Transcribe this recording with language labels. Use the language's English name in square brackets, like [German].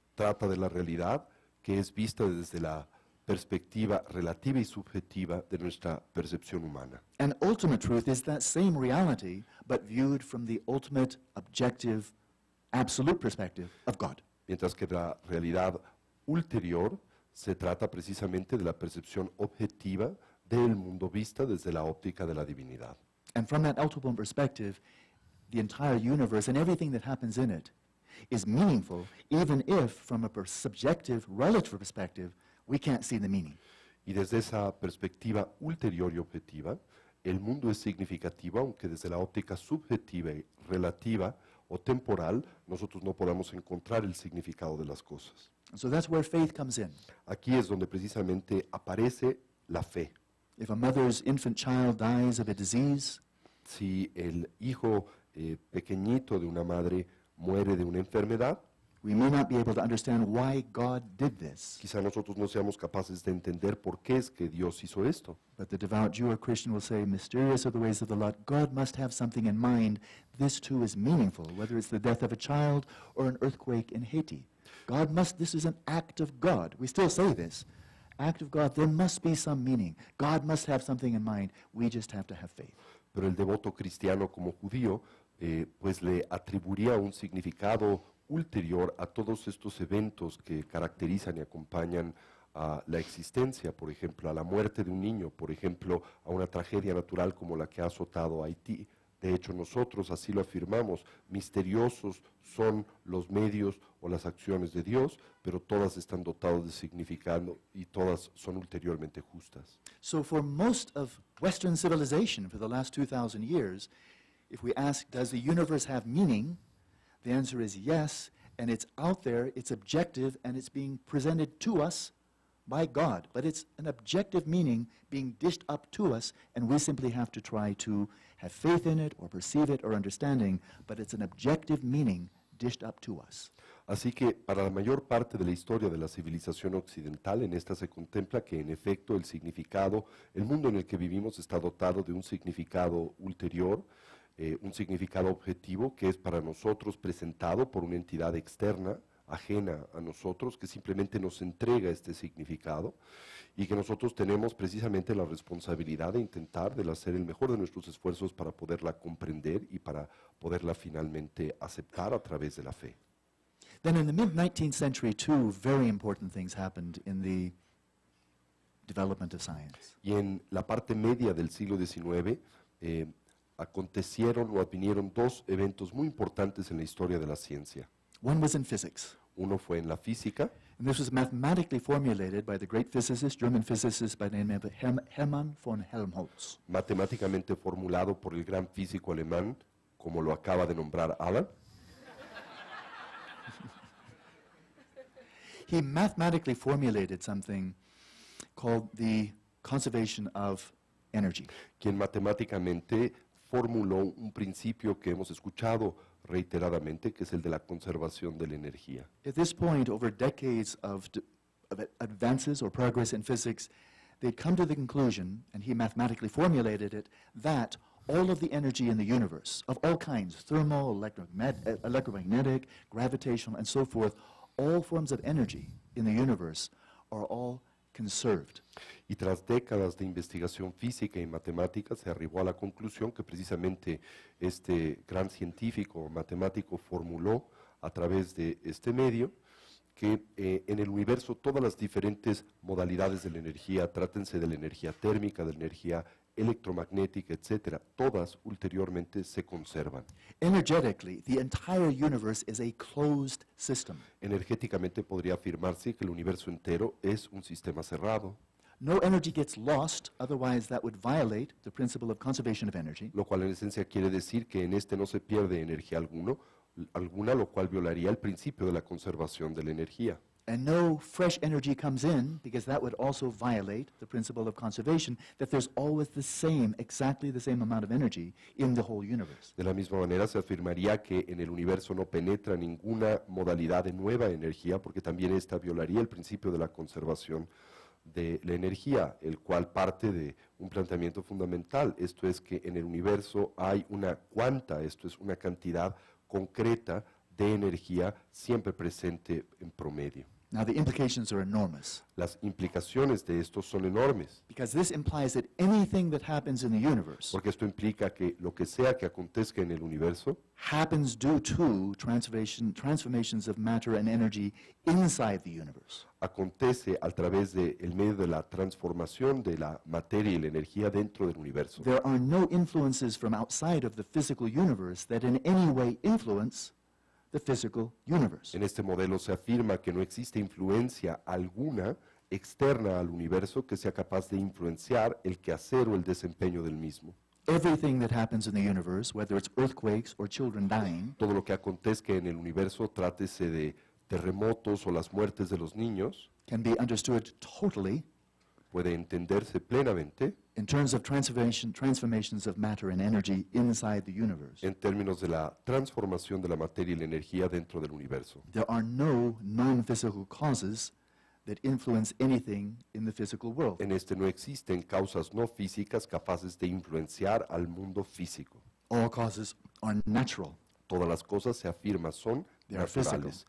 [Spanish] Trata de la realidad que es vista desde la perspectiva relativa y subjetiva de nuestra percepción humana. [English] And ultimate truth is that same reality but viewed from the ultimate objective absolute perspective of God. [Spanish] Mientras que la realidad ulterior se trata precisamente de la percepción objetiva del mundo vista desde la óptica de la divinidad. [English] And from that ultimate perspective, the entire universe and everything that happens in it is meaningful, even if from a subjective relative perspective, we can't see the meaning. [Spanish] Y desde esa perspectiva ulterior y objetiva, el mundo es significativo, aunque desde la óptica subjetiva y relativa o temporal, nosotros no podamos encontrar el significado de las cosas. [English] So that's where faith comes in. [Spanish] Aquí es donde precisamente aparece la fe. [English] If a mother's infant child dies of a disease, [Spanish] si el hijo pequeñito de una madre muere de una enfermedad, [English] we may not be able to understand why God did this. [Spanish] Quizá nosotros no seamos capaces de entender por qué es que Dios hizo esto. [English] But the devout Jew or Christian will say, mysterious are the ways of the Lord. God must have something in mind. This too is meaningful, whether it's the death of a child or an earthquake in Haiti. God must, this is an act of God. We still say this. Act of God, there must be some meaning. God must have something in mind. We just have to have faith. [Spanish] Pero el devoto cristiano como judío, pues le atribuiría un significado ulterior a todos estos eventos que caracterizan y acompañan a la existencia, por ejemplo, a la muerte de un niño, por ejemplo, a una tragedia natural como la que ha azotado Haití. De hecho, nosotros así lo afirmamos, misteriosos son los medios o las acciones de Dios, pero todas están dotadas de significado y todas son ulteriormente justas. [English] So for most of Western civilization for the last 2,000 years, if we ask, does the universe have meaning? The answer is yes, and it's out there, it's objective, and it's being presented to us by God. But it's an objective meaning being dished up to us, and we simply have to try to have faith in it, or perceive it, or understanding, but it's an objective meaning dished up to us. [Spanish] Así que para la mayor parte de la historia de la civilización occidental, en esta se contempla que en efecto el significado, el mundo en el que vivimos está dotado de un significado ulterior, un significado objetivo que es para nosotros presentado por una entidad externa, ajena a nosotros, que simplemente nos entrega este significado y que nosotros tenemos precisamente la responsabilidad de intentar de hacer el mejor de nuestros esfuerzos para poderla comprender y para poderla finalmente aceptar a través de la fe. [English] Then in the mid-19th century, two very important things happened in the development of science. [Spanish] Y en la parte media del siglo XIX, acontecieron o advinieron dos eventos muy importantes en la historia de la ciencia. [English] One was in physics. [Spanish] Uno fue en la física. [English] And this was mathematically formulated by the great physicist, German physicist by the name of Hermann von Helmholtz. [Spanish] Matemáticamente formulado por el gran físico alemán, como lo acaba de nombrar Alan. [English] He mathematically formulated something called the conservation of energy. [Spanish] Quien matemáticamente formuló un principio que hemos escuchado reiteradamente, que es el de la conservación de la energía. [English] At this point, over decades of advances or progress in physics, they'd come to the conclusion, and he mathematically formulated it, that all of the energy in the universe, of all kinds, thermal, electromagnetic, gravitational, and so forth, all forms of energy in the universe are all conserved. [Spanish] Y tras décadas de investigación física y matemática, se arribó a la conclusión que precisamente este gran científico matemático formuló a través de este medio, que en el universo todas las diferentes modalidades de la energía, trátense de la energía térmica, de la energía electromagnética, etcétera, todas ulteriormente se conservan. [English] Energetically, the entire universe is a closed system. [Spanish] Energéticamente podría afirmarse que el universo entero es un sistema cerrado. [English] No energy gets lost, otherwise that would violate the principle of conservation of energy. [Spanish] Lo cual en esencia quiere decir que en este no se pierde energía alguna, lo cual violaría el principio de la conservación de la energía. [English] And no fresh energy comes in, because that would also violate the principle of conservation, that there's always the same, exactly the same amount of energy in the whole universe. [Spanish] De la misma manera, se afirmaría que en el universo no penetra ninguna modalidad de nueva energía, porque también esta violaría el principio de la conservación de la energía, el cual parte de un planteamiento fundamental, esto es que en el universo hay una cuanta, esto es una cantidad concreta de energía siempre presente en promedio. [English] Now the implications are enormous. [Spanish] Las implicaciones de esto son enormes. [English] Because this implies that anything that happens in the universe, [Spanish] porque esto implica que lo que sea que acontezca en el universo, [English] happens due to transformations of matter and energy inside the universe. [Spanish] Acontece a través del medio de la transformación de la materia y la energía dentro del universo. [English] There are no influences from outside of the physical universe that in any way influence the physical universe. [Spanish] En este modelo se afirma que no existe influencia alguna externa al universo que sea capaz de influenciar el quehacer o el desempeño del mismo. [English] Everything that happens in the universe, whether it's earthquakes or children dying, [Spanish] todo lo que acontezca en el universo, trátese de terremotos o las muertes de los niños, [English] can be understood totally, [Spanish] puede entenderse plenamente, [English] in terms of transformations of matter and energy inside the universe. [Spanish] En términos de la transformación de la materia y la energía dentro del universo. [English] There are no non-physical causes that influence anything in the physical world. [Spanish] En este no existen causas no físicas capaces de influenciar al mundo físico. [English] All causes are natural. [Spanish] Todas las cosas, se afirma, son [English] they [Spanish] naturales, [English] are physical.